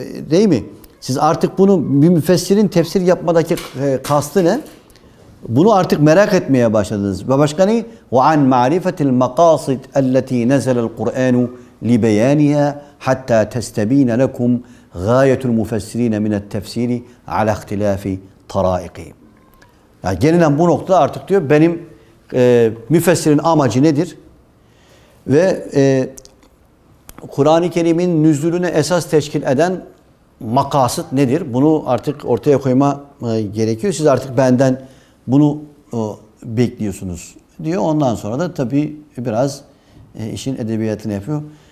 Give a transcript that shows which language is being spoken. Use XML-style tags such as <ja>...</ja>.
<tr>Değil mi? Siz artık bunu bir müfessirin tefsir yapmadaki kastı ne? Bunu artık merak etmeye başladınız. Ve başka ne?</tr> <ar>وَعَنْ مَعْرِفَةِ الْمَقَاصِدِ اَلَّتِي نَزَلَ الْقُرْآنُ لِبَيَانِهَا حَتَّى تَسْتَب۪ينَ لَكُمْ غَايَةُ الْمُفَسِّر۪ينَ مِنَ التَّفْس۪يرِ عَلَى اَخْتِلَافِ طَرَائِق۪ي</ar> <tr>yani gelinen bu noktada artık diyor benim müfessirin amacı nedir? Ve Kur'an-ı Kerim'in nüzulüne esas teşkil eden makasıt nedir? Bunu artık ortaya koyma gerekiyor. Siz artık benden bunu bekliyorsunuz diyor. Ondan sonra da tabii biraz işin edebiyatını yapıyor.</tr>